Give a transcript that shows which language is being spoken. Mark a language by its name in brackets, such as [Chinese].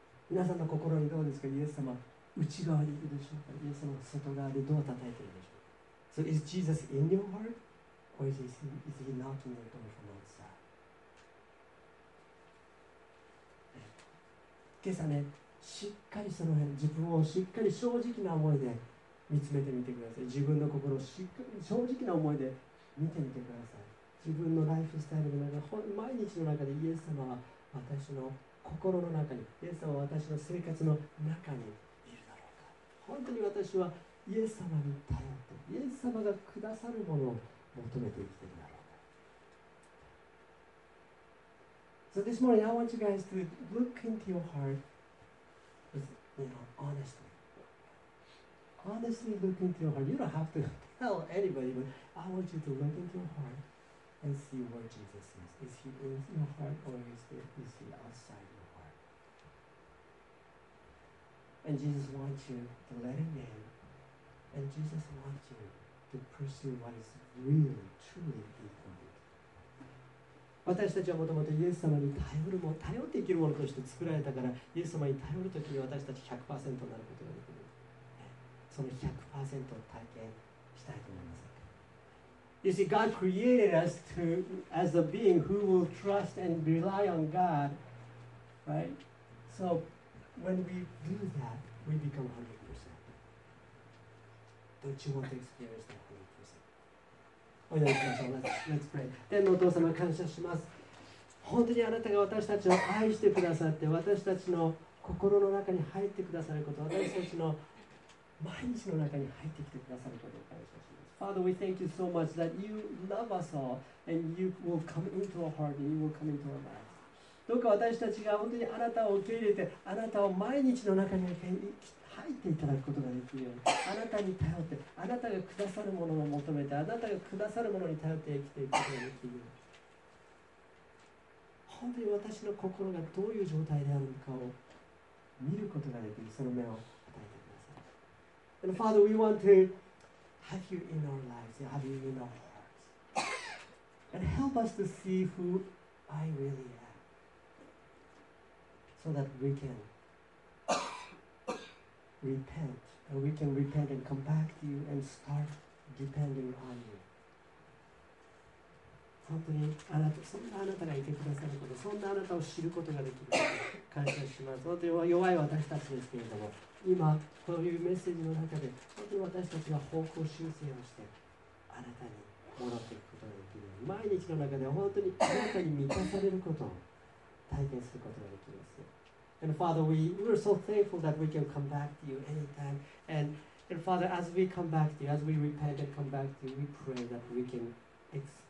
[Japanese] 皆さんの心にどうですか？イエス様、内側にいるでしょうか？イエス様、外側でどう叩いているでしょうか？ [English] So is Jesus in your heart? Or is he knocking your door from outside? [Japanese] 今朝ね、しっかりその辺、自分をしっかり正直な思いで見つめてみてください。自分の心をしっかり正直な思いで見てみてください。自分のライフスタイルの中、毎日の中でイエス様は私の心の中に、イエス様は私の生活の中にいるだろうか。本当に私はイエス様に頼って、イエス様がくださるものを求めて生きているだろうか。 [English] So this morning I want you guys to look into your heart with, you know, honestly. Honestly look into your heart. You don't have to tell anybody, but I want you to look into your heart. And see where Jesus is. Is he in your heart or is he outside your heart? And Jesus wants you to let him in. And Jesus wants you to pursue what is really, truly important. [Japanese] 私たちはもともとイエス様に頼るもの、頼って生きるものとして作られたから、イエス様に頼るときに私たち 100% になることができる。その 100% を体験したいと思います。 [English] You see, God created us to, as a being who will trust and rely on God, right? So when we do that, we become 100%. Don't you want to experience that 100%? Let's pray. [Japanese] 天のお父様、感謝します。本当にあなたが私たちを愛してくださって私たちの心の中に入ってくださること、私たちの毎日の中に入ってきてくださることを感謝します。 [English] Father, we thank you so much that you love us all and you will come into our heart and you will come into our lives. [Japanese] どうか私たちが本当にあなたを受け入れて、あなたを毎日の中に入っていただくことができるように、あなたに頼って、あなたがくださるものを求めて、あなたがくださるものに頼って生きていくことができるように。本当に私の心がどういう状態であるのかを見ることができる、その目を与えてください。 [English] And Father, we want to have you in our lives, have you in our hearts. And help us to see who I really am. So that we can repent. And we can repent and come back to you and start depending on you. [Japanese] 本当にあなた、そんなあなたがいてくださること、そんなあなたを知ることができることを感謝します。本当に弱い私たちですけれども、今、こういうメッセージの中で、本当に私たちが方向修正をして、あなたに戻っていくことができる。毎日の中で本当にあなたに満たされることを体験することができます。 [English] And Father, we are so thankful that we can come back to you anytime. And Father, as we come back to you, as we repent and come back to you, we pray that we can experience.